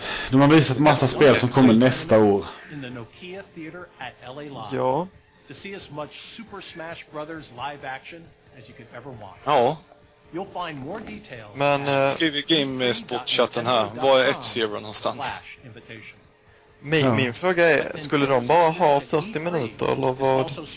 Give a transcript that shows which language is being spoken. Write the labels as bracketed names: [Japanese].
[Swedish] De har visat massa spel som kommer nästa år. Ja. [English] To see as much Super Smash Brothers live action as you could ever want. Ja. You'll find more details. Men [Swedish] skriv i GameSpot-chatten här. Var är F-Zero någonstans? Min fråga är, skulle de bara ha 40 minuter eller vad?